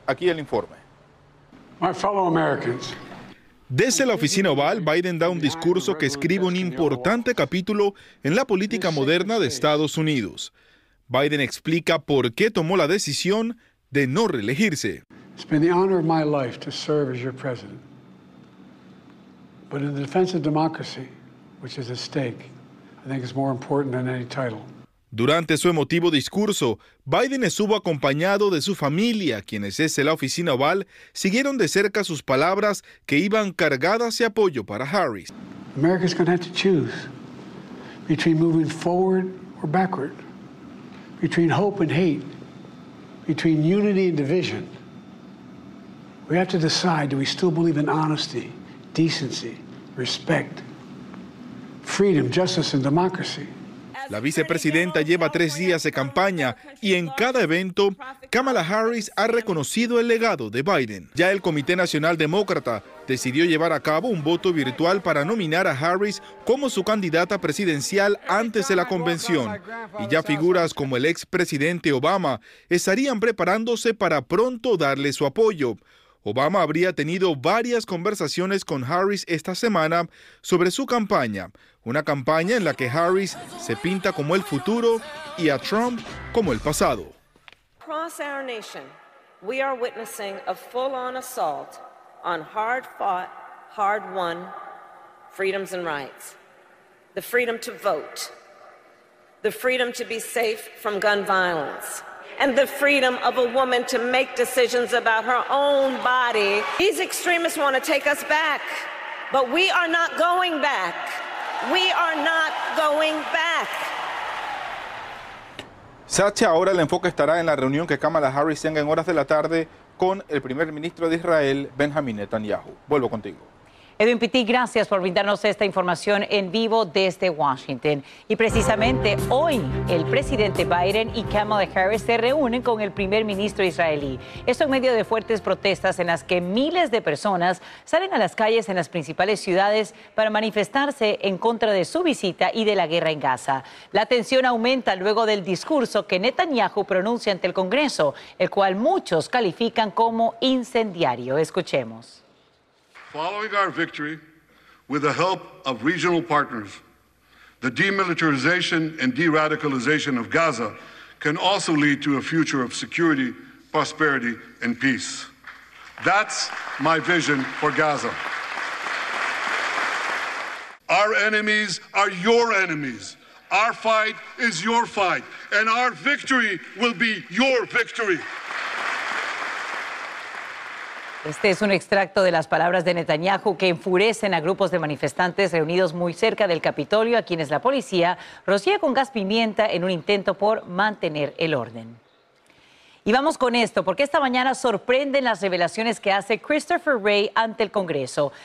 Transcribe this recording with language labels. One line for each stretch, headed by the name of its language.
Spanish: Aquí el informe.
English: My fellow Americans.
Spanish: Desde la oficina Oval, Biden da un discurso que escribe un importante capítulo en la política moderna de Estados Unidos. Biden explica por qué tomó la decisión de no reelegirse.
English: It's been the honor of my life to serve as your president. But in the defense of democracy, which is at stake, I think it's more important than any title.
Spanish: Durante su emotivo discurso, Biden estuvo acompañado de su familia, quienes desde la oficina Oval siguieron de cerca sus palabras que iban cargadas de apoyo para Harris.
English: America's going to have to choose between moving forward or backward, between hope and hate. Between unity and division, we have to decide, do we still believe in honesty, decency, respect, freedom, justice and democracy?
Spanish: La vicepresidenta lleva tres días de campaña y en cada evento, Kamala Harris ha reconocido el legado de Biden. Ya el Comité Nacional Demócrata decidió llevar a cabo un voto virtual para nominar a Harris como su candidata presidencial antes de la convención. Y ya figuras como el expresidente Obama estarían preparándose para pronto darle su apoyo. Obama habría tenido varias conversaciones con Harris esta semana sobre su campaña. Una campaña en la que Harris se pinta como el futuro y a Trump como el pasado.
English: Across our nation, we are witnessing a full-on assault on hard-fought, hard-won freedoms and rights. The freedom to vote, the freedom to be safe from gun violence, and the freedom of a woman to make decisions about her own body. These extremists want to take us back, but we are not going back. We are not going back.
Spanish: Sacha, ahora el enfoque estará en la reunión que Kamala Harris tenga en horas de la tarde con el primer ministro de Israel, Benjamin Netanyahu. Vuelvo contigo. Edwin Pitti, gracias por brindarnos esta información en vivo desde Washington. Y precisamente hoy el presidente Biden y Kamala Harris se reúnen con el primer ministro israelí. Esto en medio de fuertes protestas en las que miles de personas salen a las calles en las principales ciudades para manifestarse en contra de su visita y de la guerra en Gaza. La tensión aumenta luego del discurso que Netanyahu pronuncia ante el Congreso, el cual muchos califican como incendiario. Escuchemos.
English: Following our victory, with the help of regional partners, the demilitarization and de-radicalization of Gaza can also lead to a future of security, prosperity, and peace. That's my vision for Gaza. Our enemies are your enemies. Our fight is your fight, and our victory will be your victory.
Spanish: Este es un extracto de las palabras de Netanyahu que enfurecen a grupos de manifestantes reunidos muy cerca del Capitolio, a quienes la policía rocía con gas pimienta en un intento por mantener el orden. Y vamos con esto, porque esta mañana sorprenden las revelaciones que hace Christopher Wray ante el Congreso.